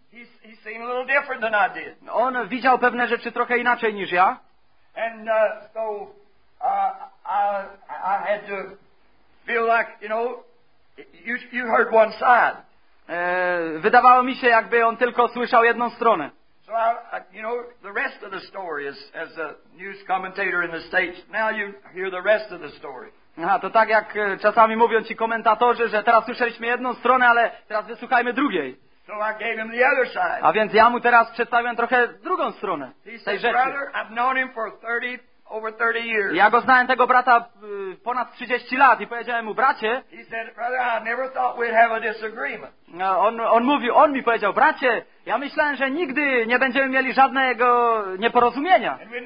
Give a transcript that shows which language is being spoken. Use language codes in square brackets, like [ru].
[en] He seemed a little different than I did. [pl] On widział pewne rzeczy trochę inaczej niż ja. [en] And I had to feel like, you know, you heard one side. [pl] Wydawało mi się, jakby on tylko słyszał jedną stronę. [en] So I the rest of the story is, as a news commentator in the States, now you hear the rest of the story. [pl] Aha, to tak jak czasami mówią ci komentatorzy, że teraz słyszeliśmy jedną stronę, ale teraz wysłuchajmy drugiej. [en] So I gave him the other side. [pl] A więc ja mu teraz przedstawiam trochę drugą stronę tej rzeczy. [en] Brother, I've known him for 30 years. [pl] Ja go znałem, tego brata, ponad 30 lat i powiedziałem mu, bracie. [en] He said, brother, I never thought we'd have a disagreement. [pl] On mi powiedział, bracie, ja myślałem, że nigdy nie będziemy mieli żadnego nieporozumienia.